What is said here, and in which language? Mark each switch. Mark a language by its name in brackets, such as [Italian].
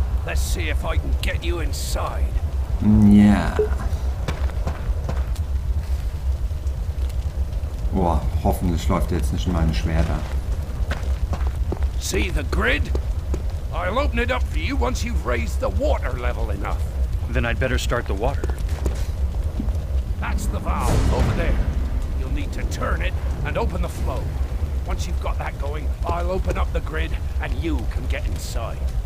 [English] Let's see if I can get you inside. Yeah. [German] Boah, hoffentlich läuft jetzt nicht meine Schwerter. [English] See the grid? I'll open it up for you once you've raised the water level enough. Then I'd better start the water. That's the valve over there. You'll need to turn it and open the flow. Once you've got that going, I'll open up the grid, and you can get inside.